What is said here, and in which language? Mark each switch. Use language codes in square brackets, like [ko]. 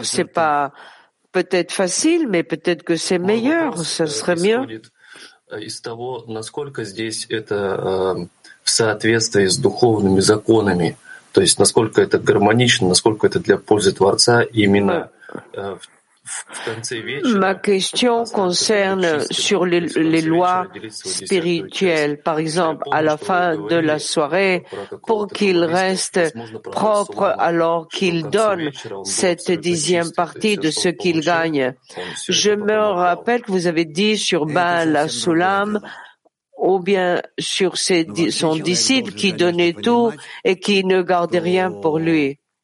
[fr] C'est pas peut-être facile, mais peut-être que c'est meilleur, ça serait mieux. [ru] В соответствии с духовными законами, то есть насколько это гармонично, насколько это для пользы Творца именно в конце вечера. [fr] Ma question concerne sur les lois spirituelles, par exemple, à la fin de la soirée, pour qu'il reste propre alors qu'il donne cette dixième partie de ce qu'il gagne. Je me rappelle que vous avez dit sur Baal HaSulam, ou bien sur son disciple qui donnait tout et qui ne gardait rien pour lui.